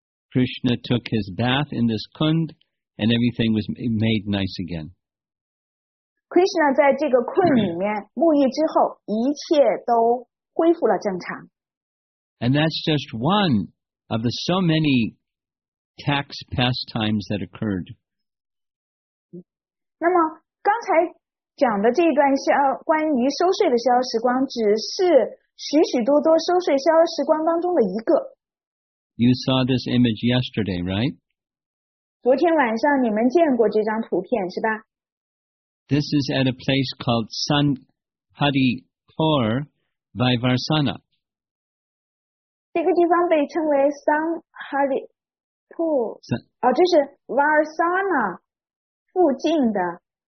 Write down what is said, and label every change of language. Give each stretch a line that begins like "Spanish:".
English: Krishna took his bath in this kund, and everything was made nice again.
Chinese: Krishna 在这个 kund 里面沐浴之后，一切都恢复了正常。
English: And that's just one of the so many tax pastimes that occurred.
Chinese: 那么刚才讲的这段消关于收税的消时光，只是许许多多收税消时光当中的一个。
English: You saw this image yesterday, right?
Chinese: 昨天晚上你们见过这张图片是吧？
English: This is at a place called Sanhadipur Vaivarsana.
Chinese: 这个地方被称为 Sanhadipur， 哦，这是 Varsana 附近的。